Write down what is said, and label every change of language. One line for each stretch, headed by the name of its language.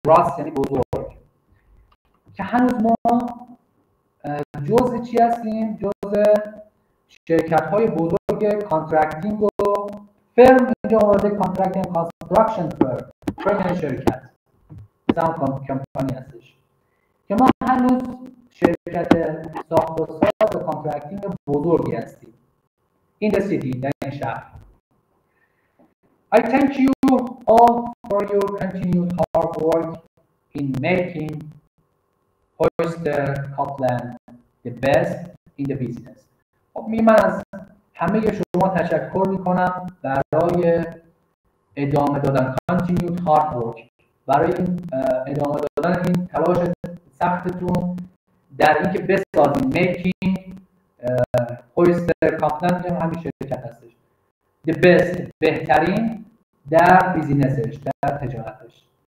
Persian: Gross یعنی بزرگ، که هنوز ما جزء چی هستیم؟ جزء شرکت های بزرگ کانترکتینگ و فرم اینجا آورده کانترکتینگ کانسترکشن فرم یعنی شرکت زمان کمپانی هستش، که ما هنوز شرکت ساخت و ساز و کانترکتینگ بزرگی هستیم.
English: In the city،
Persian: در این شهر.
English: I thank you all for your continued hard work in making Hoister Copeland the best in the business.
Persian: خب می من از همه شما تشکر می کنم برای ادامه دادن
English: continued hard work،
Persian: برای ادامه دادن این تلاش سختتون در اینکه بسازیم
English: making Hoister Copeland
Persian: که همین شرکت هستش
English: the best،
Persian: بهترین در بیزینسش، در تجارتش.